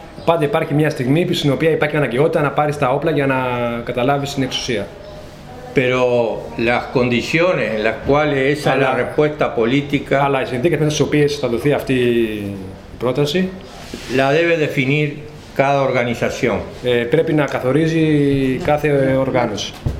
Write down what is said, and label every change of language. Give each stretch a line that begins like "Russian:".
Greek: Πάντα υπάρχει μια στιγμή που στην οποία υπάρχει αναγκαιότητα να πάρεις τα όπλα για να καταλάβεις την εξουσία.
Spanish: Pero las condiciones en las cuales esa es la respuesta política,
Greek: αλλά οι συνθήκες μέσα στις οποίες θα δοθεί αυτή η πρόταση,
Spanish: la debe definir cada organización.
Greek: Πρέπει να καθορίζει κάθε οργάνωση.